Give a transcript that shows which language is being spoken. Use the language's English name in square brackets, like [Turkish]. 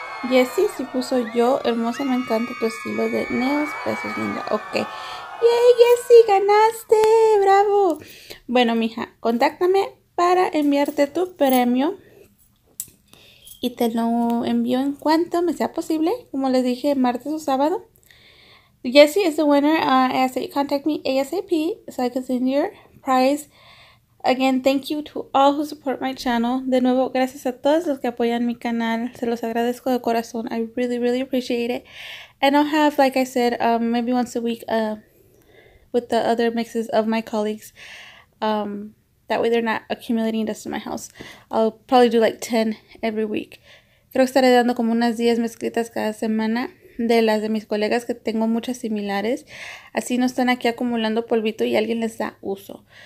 [Spanish] Jessy sí puso yo, hermosa, me encanta tu estilo de nails, pesos linda, ok. ¡Yay, Jessy, ganaste! ¡Bravo! Bueno, mija, contáctame para enviarte tu premio. Y te lo envío en cuanto me sea posible, como les dije, martes o sábado. [English] Jessy is the winner, ASAP, contact me ASAP, so I can send your prize. Again, thank you to all who support my channel. [Spanish] De nuevo, gracias a todos los que apoyan mi canal. Se los agradezco de corazón. [English] I really, really appreciate it. And I'll have, like I said, maybe once a week with the other mixes of my colleagues. That way they're not accumulating dust in my house. I'll probably do like 10 every week. [Spanish] Creo que estaré dando como unas 10 mezclitas cada semana de las de mis colegas que tengo muchas similares. Así no están aquí acumulando polvito y alguien les da uso.